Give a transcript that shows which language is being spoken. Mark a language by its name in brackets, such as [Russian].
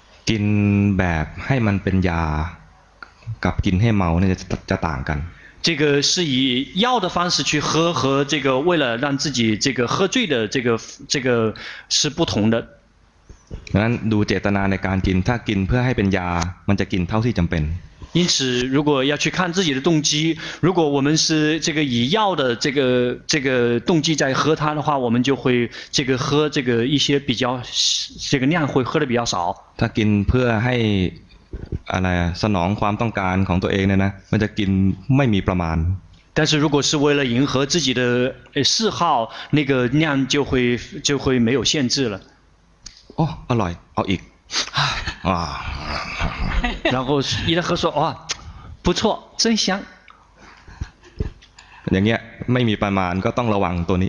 [Thai] กินแบบให้มันเป็นยากับกินให้เมาเนี่ยจะต่างกัน [Chinese] 这个是以药的方式去喝和这个为了让自己这个喝醉的这个是不同的 [Thai] งั้นดูเจตนาในการกินถ้ากินเพื่อให้เป็นยามันจะกินเท่าที่จำเป็น [Chinese] 因此如果要去看自己的动机如果我们是这个以药的这个动机在喝它的话我们就会这个喝这个一些比较这个量会喝的比较少 [Thai] ถ้ากินเพื่อให้อะไรสนองความต้องการของตัวเองเนี่ยนะมันจะกินไม่มีประมาณ [Chinese] 但是如果是为了迎合自己的嗜好那个量就会没有限制了哦，阿来，哦一，啊，然后一来喝说，哇，不错，真香。 [Thai] อย่างเงี้ยไม่มีประมาณก็ต้องระวังตัวนี